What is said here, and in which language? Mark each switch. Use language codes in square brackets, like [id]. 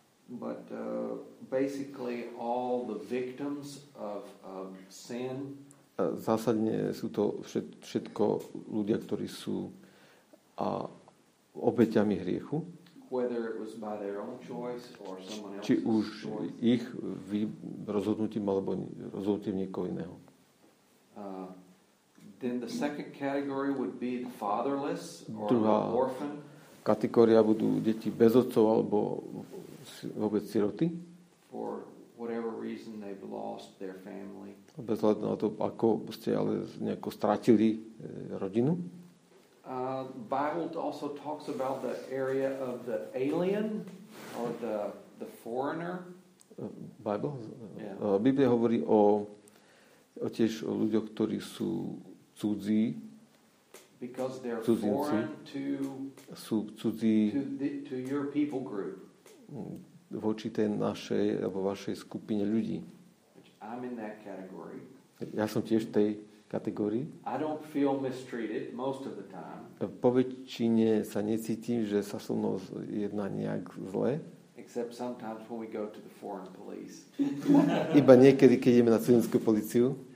[en] But basically all the victims of sin. [sk] A zásadne sú to všetko ľudia, ktorí sú obeťami hriechu. [en] Whether it was by their own choice or someone else's. [sk] Či už ich rozhodnutím alebo rozhodnutím niekoho iného. [en] Then the second category would be the fatherless or an orphan. [sk] Kategória budú deti bez otcov alebo vôbec siroty. [en] For whatever reason they've lost their family. [sk] Bez hľadu na to, ako ste ale nejako stratili rodinu. [en] Bible also talks about the area of the alien or the foreigner. Bible? Yeah. [sk] Biblia hovorí o tiež o ľuďoch, ktorí sú cudzí. [en] because they're cudzinci, foreign to [sk] sú cudzí, [en] to your people group. [sk] Voči tej našej alebo vašej skupine ľudí. [en] I'm in that category. [sk] Ja som tiež v tej kategórii. [en] I don't feel mistreated most of the time. [sk] Po väčšine sa necítim, že sa so mnou jedná nejak zle. [en] Except sometimes when we go to the foreign police. [sk] Iba niekedy, keď ideme na cudzinskú políciu.